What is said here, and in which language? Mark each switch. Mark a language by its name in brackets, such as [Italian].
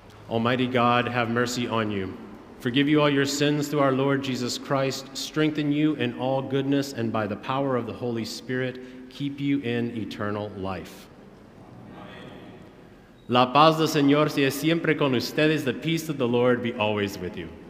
[English] Almighty God, have mercy on you. Forgive you all your sins through our Lord Jesus Christ, strengthen you in all goodness, and by the power of the Holy Spirit, keep you in eternal life. Amen. [Spanish] La paz del Señor sea siempre con ustedes. [English] The peace of the Lord be always with you.